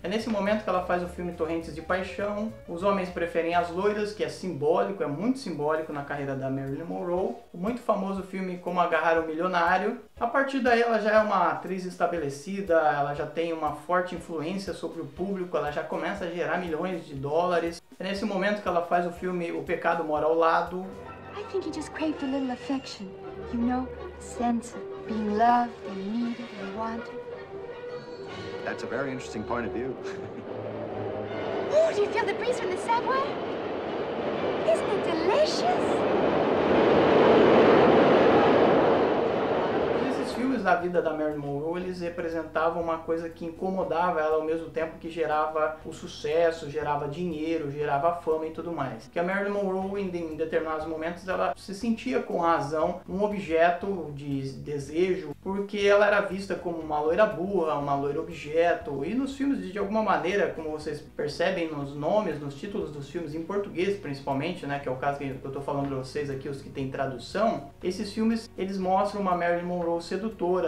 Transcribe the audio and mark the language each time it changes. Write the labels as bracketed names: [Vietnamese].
[Portuguese] É nesse momento que ela faz o filme Torrentes de Paixão, Os Homens Preferem as Loiras, que é simbólico, é muito simbólico na carreira da Marilyn Monroe, o muito famoso filme Como Agarrar um Milionário. A partir daí ela já é uma atriz estabelecida, ela já tem uma forte influência sobre o público, ela já começa a gerar milhões de dólares. É nesse momento que ela faz o filme O Pecado Mora ao Lado. [English] I think you just craved a little affection, you know, sense of being loved and needed and wanted. That's a very interesting point of view. Oh, do you feel the breeze from the subway? Isn't it delicious? [Portuguese] da vida da Marilyn Monroe, eles representavam uma coisa que incomodava ela ao mesmo tempo que gerava o sucesso, gerava dinheiro, gerava fama e tudo mais. Que a Marilyn Monroe, em determinados momentos, ela se sentia com razão um objeto de desejo, porque ela era vista como uma loira burra, uma loira objeto, e nos filmes, de alguma maneira, como vocês percebem nos nomes, nos títulos dos filmes, em português principalmente, né, que é o caso que eu tô falando pra vocês aqui, os que tem tradução, esses filmes, eles mostram uma Marilyn Monroe sedutora,